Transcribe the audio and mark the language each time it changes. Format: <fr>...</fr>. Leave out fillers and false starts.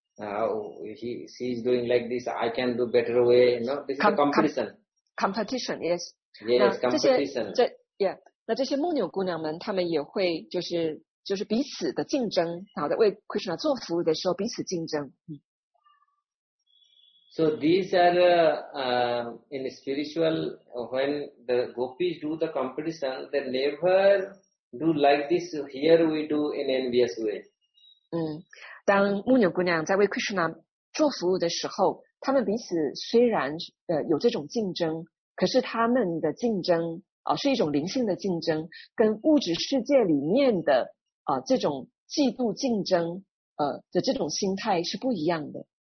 <en>She is doing like this, I can do better way, this is a competition. Competition, yes. Yes, competition.</en> <zh>那这些牧牛姑娘们，她们也会就是彼此的竞争，好的，为 Krishna 做服务的时候彼此竞争。</zh> <en>So these are, in spiritual, when the gopis do the competition, they never do like this, here we do in envious way.</en> <zh>当牧牛姑娘在为 Krishna 做服务的时候，他们彼此虽然有这种竞争，可是他们的竞争是一种灵性的竞争，跟物质世界里面的这种嫉妒竞争的这种心态是不一样的。</zh>